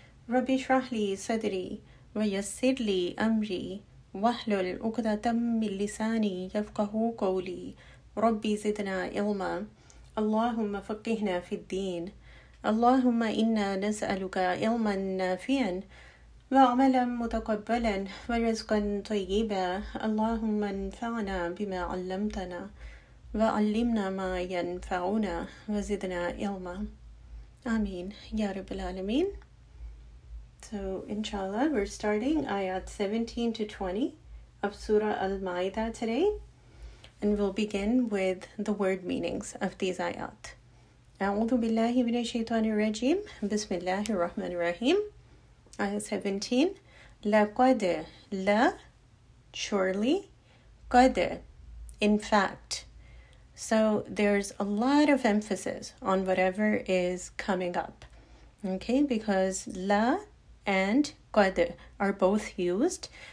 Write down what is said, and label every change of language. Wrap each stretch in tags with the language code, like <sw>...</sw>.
<ar>رب اشرح لي صدري ويسر لي أمري واحلل عقدة من لساني يفقه قولي رب زدنا علما اللهم فقهنا في الدين اللهم إنا نسألك علما نافعا وعملا متقبلا ورزقا طيبا اللهم انفعنا بما علمتنا وعلمنا ما ينفعنا وزدنا علما آمين يا رب العالمين.</ar> <en>So inshallah we're starting ayat 17 to 20 of Surah Al-Ma'idah today, and we'll begin with the word meanings of these ayat.</en> <ar>أعوذ بالله من الشيطان الرجيم بسم الله الرحمن الرحيم.</ar> <en>Ayah 17, لقد, لا, surely, قد, in fact. So there's a lot of emphasis on whatever is coming up, okay? Because لا and قد are both used.</en>